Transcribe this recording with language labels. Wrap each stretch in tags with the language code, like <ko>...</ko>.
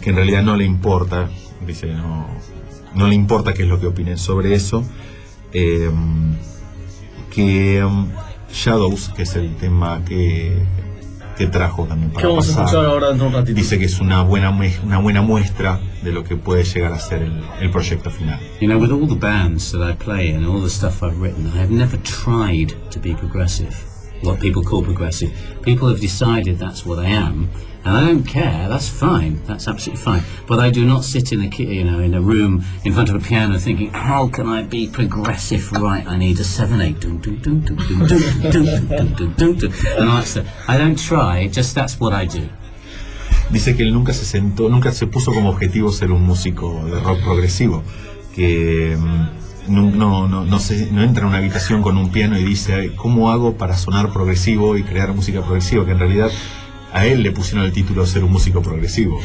<es>Que en realidad no le importa. Dice, no le importa qué es lo que opinen sobre eso. Shadows, que es el tema que que trajo también para vamos a escuchar ahora dentro de un ratito? Dice que es una buena muestra de lo que puede llegar a ser el proyecto final.</es> <en>You know, with all the bands that I play and all the stuff I've written, I have never tried to be progressive, what people call progressive. People have decided that's what I am. And I don't care, that's fine, that's absolutely fine. But I do not sit in a, you know, in a room in front of a piano thinking, how can I be progressive right? I need a 7-8. And that's it. I don't try, just that's what I do.</en> <es>Dice que él nunca se sentó, nunca se puso como objetivo ser un músico de rock progresivo. Que no entra en una habitación con un piano y dice, ¿cómo hago para sonar progresivo y crear música progresiva? Que en realidad a él le pusieron el título de ser un músico progresivo.</es>